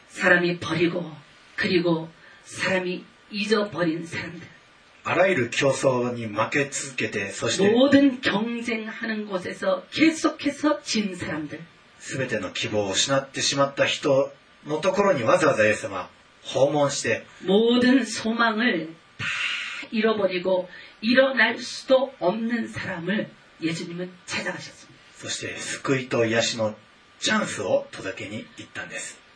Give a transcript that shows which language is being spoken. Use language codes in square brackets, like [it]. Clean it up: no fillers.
[ko] 사람이버리고그리고사람이잊어버린사람들 [ja] あらゆる競争に負け続けてそして [ko] 모든경쟁하는곳에서계속해서진사람들 [ja] すべての希望を失ってしまった人のところにわざわざイエス様訪問して [ko] 모든소망을다잃어버리고일어날수도없는사람을예수님은찾아가셨습니다 [ja] そして救いと癒しのチャンスを届けに行ったんです